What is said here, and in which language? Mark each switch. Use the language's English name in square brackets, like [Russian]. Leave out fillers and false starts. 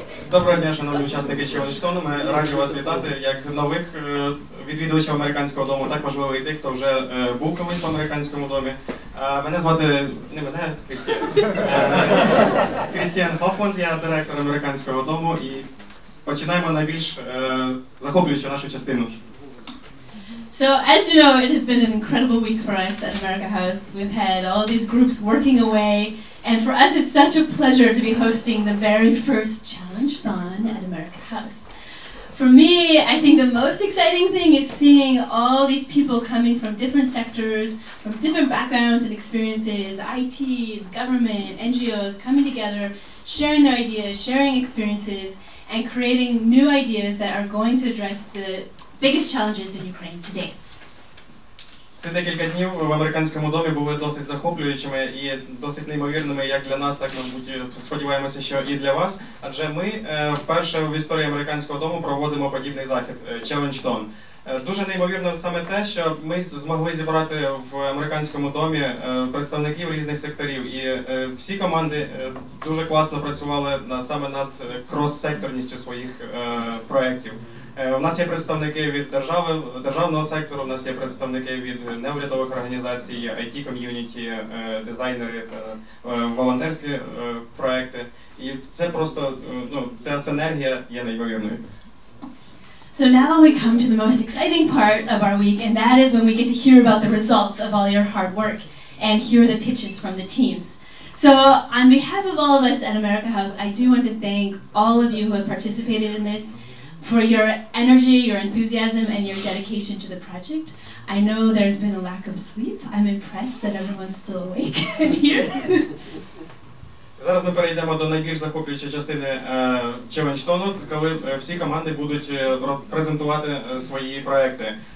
[Ukrainian] Доброго дня, шановні учасники Чевенштону. Ми раді вас вітати як нових відвідувачів американського дому, так можливо і тих, хто вже був колись в американському домі. Мене звати не мене, Крістіан Хофланд, я директор американського дому і починаємо найбільш захоплюючу нашу частину. [English] So, as you know, it has been an incredible week for us at America House. We've had all these groups working away, and for us it's such a pleasure to be hosting the very first Challenge-thon at America House. For me, I think the most exciting thing is seeing all these people coming from different sectors, from different backgrounds and experiences, IT, government, NGOs, coming together, sharing their ideas, sharing experiences, and creating new ideas that are going to address the biggest challenges in Ukraine today. [Ukrainian] Ці декілька днів в американському домі були досить захоплюючими і досить неймовірними як для нас, так, мабуть, сподіваємося, що і для вас. Адже ми вперше в історії американського дому проводимо подібний захід – Challenge-thon. Дуже неймовірно саме те, що ми змогли зібрати в американському домі представників різних секторів. І всі команди дуже класно працювали саме над крос-секторністю своїх проєктів. У нас є представники від держави, державного сектору, у нас є представники від неурядових організацій, IT-ком'юніті, дизайнери, волонтерські проекти. І це просто, ну, ця синергія є неймовірною. [English] So now we come to the most exciting part of our week, and that is when we get to hear about the results of all your hard work and hear the pitches from the teams. So on behalf of all of us at America House, I do want to thank all of you who have participated in this, for your energy, your enthusiasm, and your dedication to the project. I know there's been a lack of sleep. I'm impressed that everyone's still awake here. [Ukrainian] Зараз ми перейдемо до найбільш захоплюючої частини Challenge-thon-у, коли всі команди будуть презентувати свої проекти.